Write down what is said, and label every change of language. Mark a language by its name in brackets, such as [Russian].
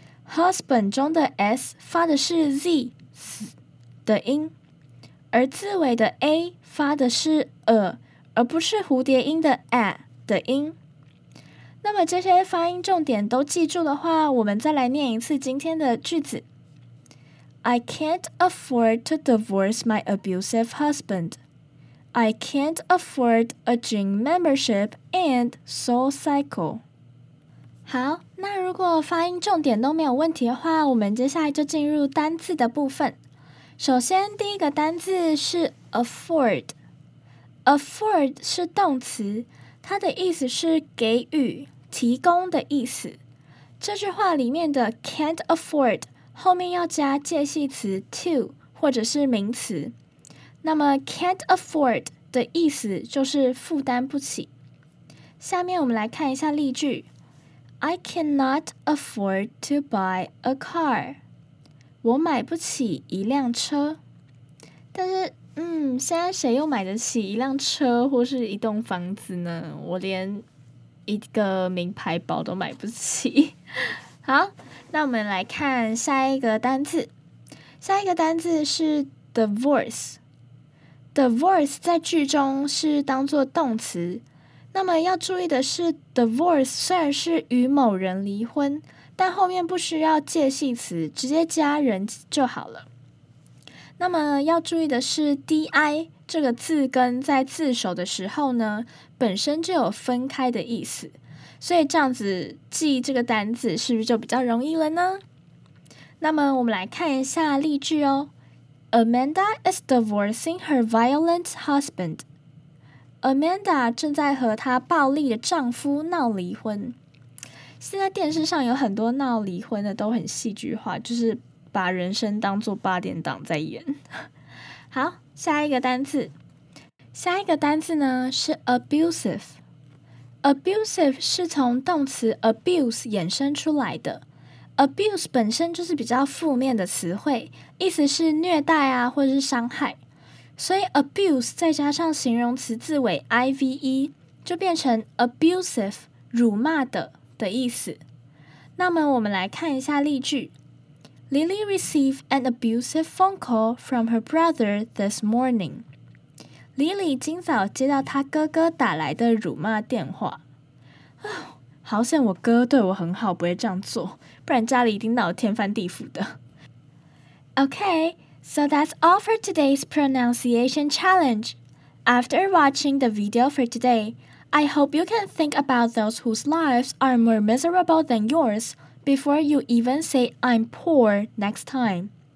[Chinese] husband 中的 s 发的是 z 的音，而字尾的 a 发的是 a， 而不是蝴蝶音的 a 的音。那么这些发音重点都记住的话，我们再来念一次今天的句子。 [English] I can't afford to divorce my abusive husband. I can't afford a gym membership and SoulCycle. [Chinese] 好，那如果发音重点都没有问题的话，我们接下来就进入单字的部分。首先，第一个单字是 afford。afford 是动词，它的意思是给予、提供的意思。这句话里面的 can't afford 后面要加介系词 to 或者是名词。那么 can't afford 的意思就是负担不起。下面我们来看一下例句。 [English] I cannot afford to buy a car. [Chinese] 我买不起一辆车。但是现在谁又买得起一辆车或是一栋房子呢？我连一个名牌包都买不起。好，那我们来看下一个单字。下一个单字是 divorce。 Divorce 在句中是当作动词，那么要注意的是 divorce 虽然是与某人离婚，但后面不需要介系词，直接加人就好了。那么要注意的是 di 这个字根在字首的时候呢，本身就有分开的意思，所以这样子记这个单字是不是就比较容易了呢？那么我们来看一下例句哦。 [English] Amanda is divorcing her violent husband. [Chinese] Amanda 正在和她暴力的丈夫闹离婚。现在电视上有很多闹离婚的都很戏剧化，就是把人生当作八点档在演。好，下一个单词。下一个单词呢是 abusive。Abusive 是从动词 abuse 衍生出来的。 Abuse 本身就是比较负面的词汇，意思是虐待啊或者是伤害。所以 abuse 再加上形容词字尾 ive 就变成 abusive 辱骂的意思。那么我们来看一下例句。 [English] Lily received an abusive phone call from her brother this morning. [Chinese] Lily 今早接到她哥哥打来的辱骂电话。好险我哥对我很好，不会这样做，不然家里一定闹天翻地覆的。 [English] Okay, so that's all for today's pronunciation challenge. After watching the video for today, I hope you can think about those whose lives are more miserable than yours before you even say I'm poor next time.